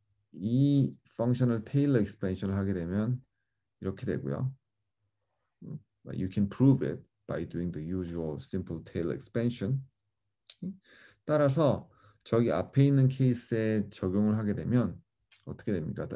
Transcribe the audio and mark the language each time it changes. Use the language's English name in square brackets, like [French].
[Korean] 이 펑션을 테일러 익스펜션을 하게 되면 이렇게 되고요. [English] You can prove it by doing the usual simple Taylor expansion. [Korean] 따라서 저기 앞에 있는 케이스에 적용을 하게 되면 어떻게 됩니까?